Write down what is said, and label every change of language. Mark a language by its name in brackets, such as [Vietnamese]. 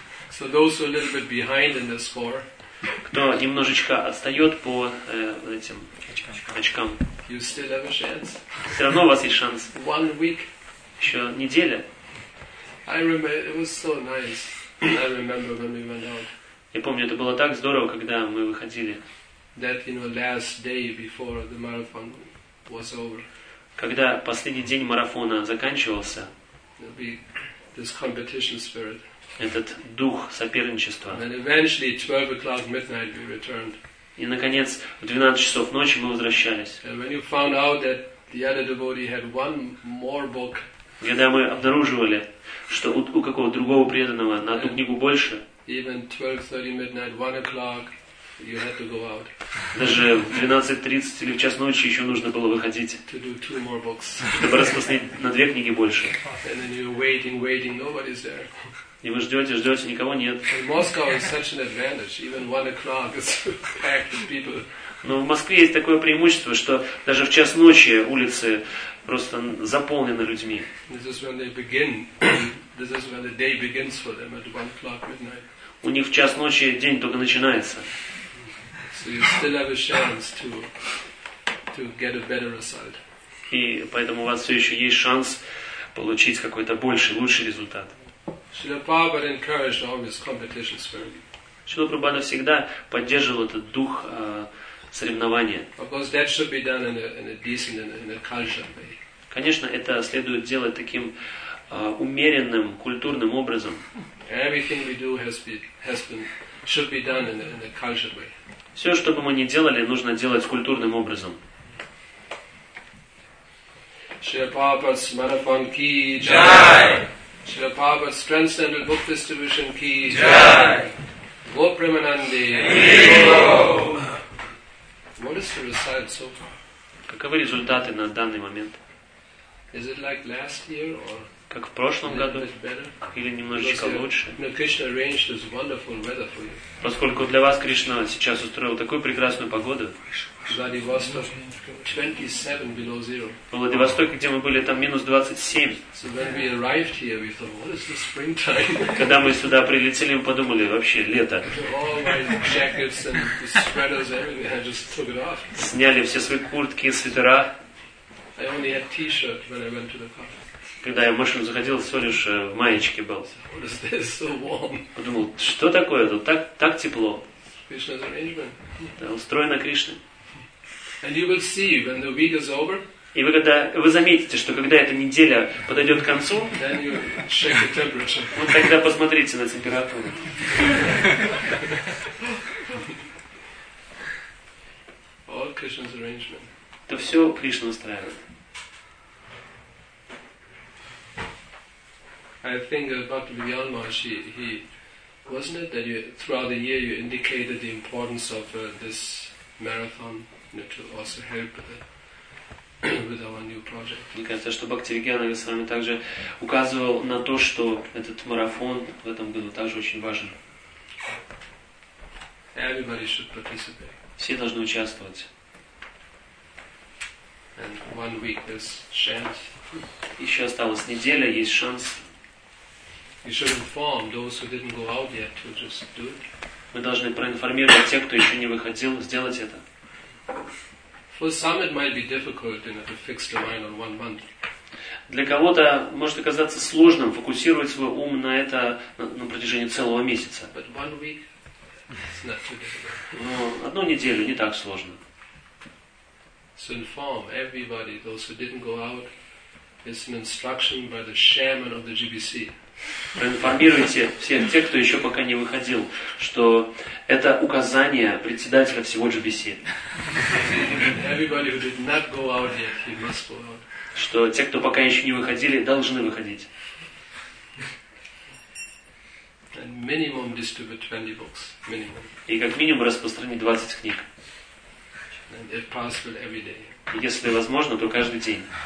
[English] So those who are a little bit behind in the score, [Russian] кто немножечко отстает по этим очкам, [English] you still have a chance. [Russian] Все равно у вас есть шанс. [English] One week. [Russian] Еще неделя. [English] I remember it was so nice. I remember when we went out. [Russian] Я помню, это было так здорово, когда мы выходили. [English] That, you know, last day before the marathon was over. [Russian] Когда последний день марафона заканчивался. [English] There'll be this competition spirit. [Russian] Этот дух соперничества. [English] And eventually, 12 o'clock midnight, we returned. [Russian] И наконец в 12 часов ночи мы возвращались. [English] And when you found out that the other devotee had one more book. [Russian] Когда мы обнаруживали, что у какого-то другого преданного на одну книгу больше. [English] Even 12:30 midnight, 1 o'clock, you had to go out. [Russian] Даже в 12:30 или в час ночи еще нужно было выходить. [English] To do two more books. [Russian] Чтобы распространить на две книги больше. [English] And then you're waiting, nobody's there. [Russian] И вы ждете, никого нет. [English] In Moscow is such an advantage. Even 1 o'clock is packed with people. [Russian] Но в Москве есть такое преимущество, что даже в час ночи улицы просто заполнены людьми. [English] This is when they begin. This is when the day begins for them at 1 o'clock midnight. [Russian] У них в час ночи день только начинается. [English] So you still have a chance to get a better result. [Russian] И поэтому у вас все еще есть шанс получить какой-то больший, лучший результат. [English] Srila Prabhupada encouraged always competition spirit. [Russian] Srila Prabhupada всегда поддерживал этот дух соревнования. [English] Of course, that should be done in a decent in a cultured way. [Russian] Конечно, это следует делать таким умеренным культурным образом. [English] Everything we do has been should be done in a cultured way. [Russian] Все, что бы мы ни делали, нужно делать культурным образом. [English] Srila Prabhupada's marathon ki [Hindi] jai. [English] Srila Prabhupada's transcendental book distribution ki [Hindi] jai. Go Premanande ki [English] jai. What is the result so far? [Russian] Каковы результаты на данный момент? [English] Is it like last year or? [Russian] Как в прошлом году? [English] Better? [Russian] Или немножечко лучше? [English] You know, Krishna arranged this wonderful weather for you. [Russian] Поскольку для вас Кришна сейчас устроил такую прекрасную погоду. [English] Владивосток 27 below zero. [Russian] В Владивостоке, где мы были, там -27. [English] So when we arrived here, we thought, what is the springtime? [Russian] Когда мы сюда прилетели, мы подумали, вообще лето. [English] All my jackets and the sweaters, everything, I just took it off. [Russian] Сняли все свои куртки и свитера. [English] I only had t-shirt when I went to the park. [Russian] Когда я в машину заходил, всего лишь в маечке был. [English] What is this, so warm? [Russian] Подумал, что такое тут? Так тепло. [English] Krishna's arrangement. [Russian] Да, устроено Кришной. [English] And you will see when the week is over. [Russian] И вы заметите, что когда эта неделя подойдет к концу, [English] then you check the temperature. [Russian] Вот тогда посмотрите на температуру. [English] All Krishna's arrangement. [Russian] Это все Кришна устраивает. [English] I think about Bhakti Vyal Maharshi, he wasn't it that you throughout the year you indicated the importance of this marathon, you know, to also help with our new project. [Russian] Мне кажется, что Бхакти Вигьяна Госвами также указывал на то, что этот марафон в этом году также очень важен. [English] Everybody should participate. [Russian] Все должны участвовать. [English] And 1 week there's chance. [Russian] Еще осталась неделя, есть шанс. [English] You should inform those who didn't go out yet to just do it. [Russian] Мы должны проинформировать тех, кто еще не выходил, сделать это. [English] For some it might be difficult to fix the mind on 1 month. [Russian] Для кого-то может оказаться сложным фокусировать свой ум на это на протяжении целого месяца. [English] But 1 week, it's not too difficult. [Russian] Но одну неделю не так сложно. [English] So inform everybody, those who didn't go out, it's an instruction by the chairman of the GBC. [Russian] Проинформируйте всех тех, кто еще пока не выходил, что это указание председателя всего GBC. [English] Everybody who did not go out yet, he must go out. [Russian] Что те, кто пока еще не выходили, должны выходить. [English] And minimum distribute 20 books, minimum. [Russian] И как минимум распространить 20 книг. [English] And if possible, every day. [Russian] Если возможно, то каждый день.